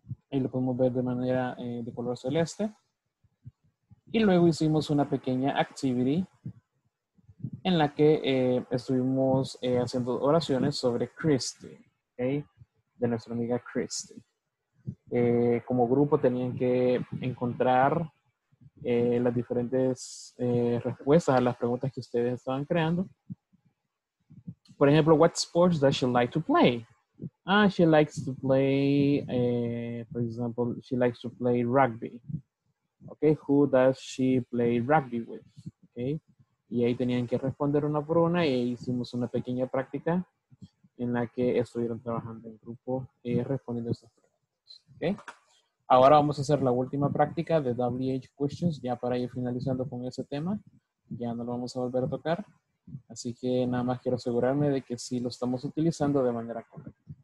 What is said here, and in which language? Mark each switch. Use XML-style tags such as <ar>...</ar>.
<es>Ahí lo podemos ver de manera de color celeste. Y luego hicimos una pequeña activity en la que estuvimos haciendo oraciones sobre Christy, ¿okay? De nuestra amiga Christy. Como grupo tenían que encontrar las diferentes respuestas a las preguntas que ustedes estaban creando. Por ejemplo,</es> <en>what sports does she like to play? Ah, she likes to play, for example, she likes to play rugby. Okay, who does she play rugby with? Okay,</en> <es>Y ahí tenían que responder una por una e hicimos una pequeña práctica en la que estuvieron trabajando en grupo y respondiendo esas preguntas. ¿Okay? Ahora vamos a hacer la última práctica de WH Questions, ya para ir finalizando con ese tema. Ya no lo vamos a volver a tocar. Así que nada más quiero asegurarme de que sí lo estamos utilizando de manera correcta.</es>